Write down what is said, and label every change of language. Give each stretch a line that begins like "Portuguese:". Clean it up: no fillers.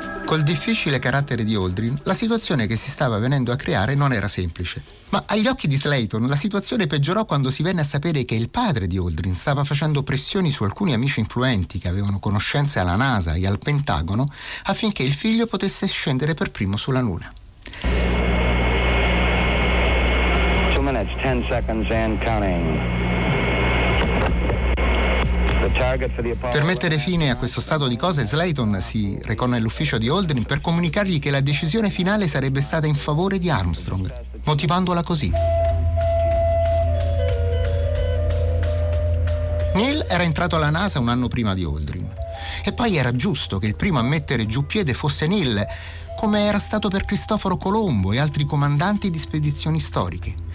Italian: Col difficile carattere di Aldrin, la situazione che si stava venendo a creare non era semplice. Ma agli occhi di Slayton, la situazione peggiorò quando si venne a sapere che il padre di Aldrin stava facendo pressioni su alcuni amici influenti che avevano conoscenze alla NASA e al Pentagono affinché il figlio potesse scendere per primo sulla Luna.
English: 2 minutes, 10 seconds and counting.
Italian: Per mettere fine a questo stato di cose, Slayton si recò nell'ufficio di Aldrin per comunicargli che la decisione finale sarebbe stata in favore di Armstrong, motivandola così. Neil era entrato alla NASA un anno prima di Aldrin. E poi era giusto che il primo a mettere giù piede fosse Neil, come era stato per Cristoforo Colombo e altri comandanti di spedizioni storiche.